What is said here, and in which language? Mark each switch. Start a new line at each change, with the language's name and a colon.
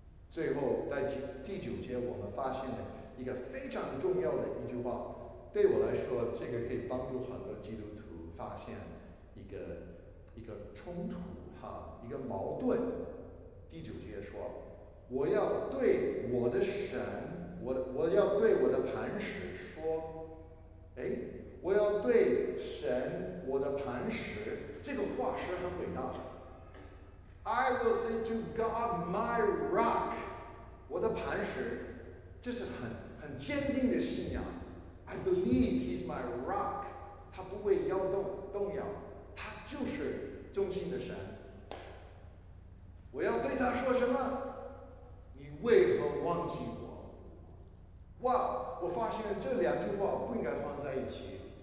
Chinese: 最后在第9节我们发现了一个非常重要的一句话，对我来说这个可以帮助很多基督徒发现一个冲突哈，一个矛盾。第9节说，我要对我的神，我要对我的磐石说，哎，我要对神，我的磐石，这个话是很伟大的。
English: I will say to God, my rock,
Chinese: 我的磐石，这是很坚定的信仰。
English: I believe he's my rock,
Chinese: 他不会动摇，他就是忠心的神。我要对他说什么？你为何忘记我？哇，我发现这两句话不应该放在一起。